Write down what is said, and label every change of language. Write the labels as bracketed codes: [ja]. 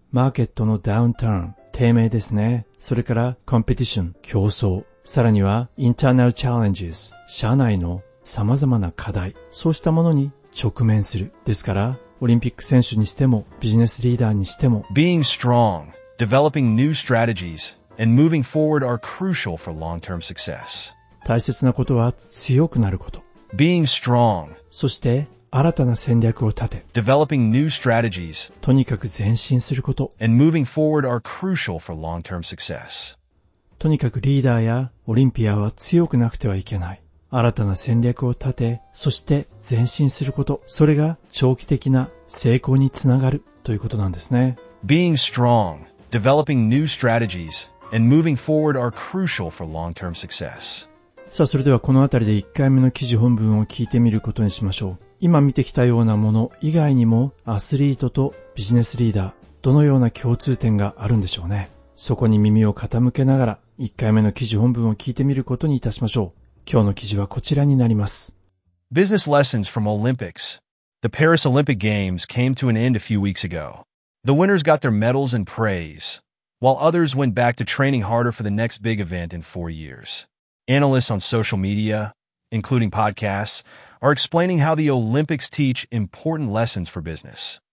[ja] マーケットの downturn. 低迷ですね。それから、competition. 競争。さらには、 [en] internal challenges. [ja] 社内の様々な課題、そうしたものに直面する。ですから、オリンピック選手にしても、ビジネスリーダーにしても、 [en] Being strong, developing new strategies, and moving forward are crucial for long-term success. [ja] 大切なことは強くなること。 [en] Being strong, [ja] そして新たな戦略を立て、 [en] developing new strategies, [ja] とにかく前進すること、 [en] and moving forward are crucial for long-term success. [ja] とにかくリーダーやオリンピアは強くなくてはいけない。新たな戦略を立て、そして前進すること、それが長期的な成功につながるということなんですね。 [en] Being strong, developing new strategies, and moving forward are crucial for long-term success. [ja] さあ、それではこのあたりで1回目の記事本文を聞いてみることにしましょう。今見てきたようなもの以外にもアスリートとビジネスリーダー、どのような共通点があるんでしょうね。そこに耳を傾けながら1回目の記事本文を聞いてみることにいたしましょう。今日の記事はこちらになります。 [en] Business lessons from Olympics. The Paris Olympic Games came to an end a few weeks ago. The winners got their medals and praise, while others went back to training harder for the next big event in 4 years. Analysts on social media, including podcasts, are explaining how the Olympics teach important lessons for business.